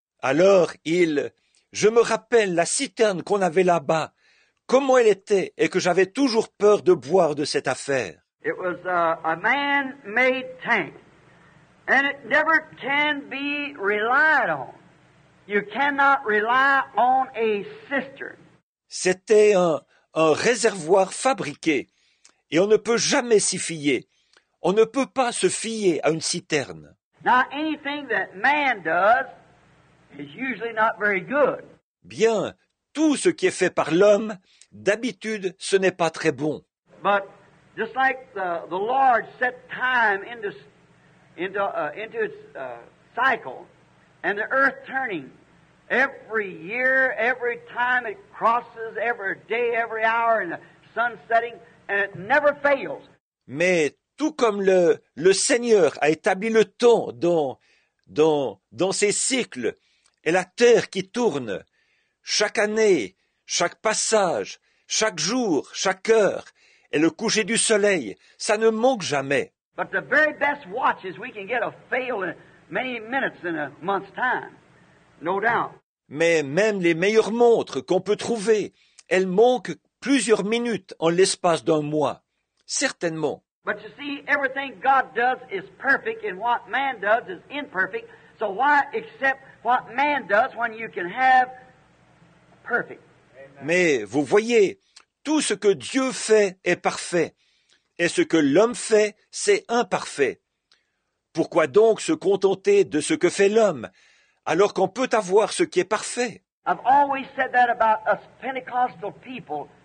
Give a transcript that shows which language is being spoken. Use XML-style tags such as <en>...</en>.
<fr>Alors, je me rappelle la citerne qu'on avait là-bas, comment elle était et que j'avais toujours peur de boire de cette affaire.</fr> <en>It was a man-made tank, and it never can be relied on. You cannot rely on a cistern.</en> <fr>C'était un réservoir fabriqué, et on ne peut jamais s'y fier. On ne peut pas se fier à une citerne.</fr> <en>Now, anything that man does is usually not very good.</en> <fr>Bien, tout ce qui est fait par l'homme, d'habitude, ce n'est pas très bon.</fr> <en>But just like the Lord set time into its cycle, and the earth turning every year, every time it crosses, every day, every hour, and the sun setting, and it never fails.</en> <fr>Mais tout comme le Seigneur a établi le temps dans ses cycles, et la terre qui tourne, chaque année, chaque passage, chaque jour, chaque heure, et le coucher du soleil, ça ne manque jamais.</fr> <en>But the very best watches we can get a fail in many minutes in a month's time, no doubt.</en> <fr>Mais même les meilleures montres qu'on peut trouver, elles manquent plusieurs minutes en l'espace d'un mois, certainement.</fr> <en>But you see, everything God does is perfect, and what man does is imperfect. So why accept what man does when you can have perfect?</en> <fr>Mais vous voyez, tout ce que Dieu fait est parfait, et ce que l'homme fait, c'est imparfait. Pourquoi donc se contenter de ce que fait l'homme, alors qu'on peut avoir ce qui est parfait?</fr> <en>I've always said that about us Pentecostal people.</en>